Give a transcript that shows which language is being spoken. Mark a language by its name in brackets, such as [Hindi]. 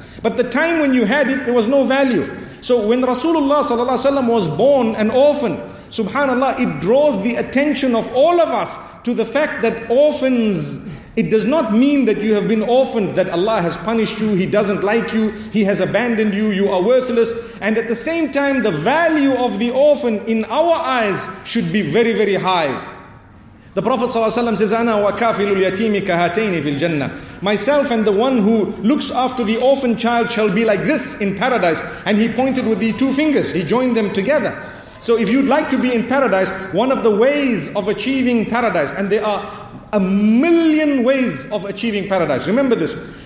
[English] But the time when you had it, there was no value. So when Rasulullah sallallahu alaihi wasallam was born an orphan, subhanallah, it draws the attention of all of us to the fact that orphans, it does not mean that you have been orphaned, that Allah has punished you, He doesn't like you, He has abandoned you, you are worthless. And at the same time, the value of the orphan in our eyes should be very, very high. The Prophet ﷺ says, [Arabic] أنا وَكَافِلُ الْيَتِيمِ كَهَاتَيْنِ فِي الْجَنَّةِ. [English] Myself and the one who looks after the orphan child shall be like this in paradise. And he pointed with the two fingers, he joined them together. So if you'd like to be in paradise, one of the ways of achieving paradise, and there are a million ways of achieving paradise. Remember this.